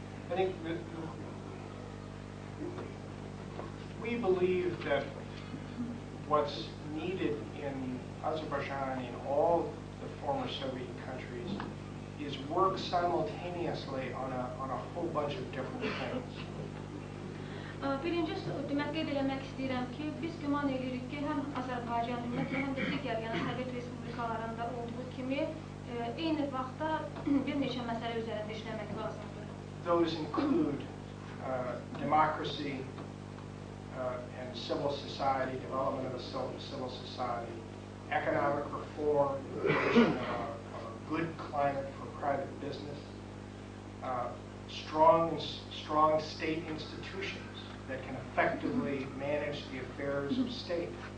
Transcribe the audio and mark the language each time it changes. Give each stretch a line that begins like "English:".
English: I think we believe that what's needed in Azerbaijan and all the former Soviet countries is work simultaneously on a whole bunch of different things.
Azerbaijani: Birinci demək qeyd eləmək istəyirəm ki, biz güman edirik ki, həm Azərbaycan ümumiyyətlə, həm də digər, yəni Sovet Respublikalarında olduğu kimi, eyni vaxtda bir neçə məsələ üzərində işləmək lazımdır.
English: Those include democracy and civil society, development of a civil society, economic reform, a good climate for private business, strong state institutions that can effectively manage the affairs of state,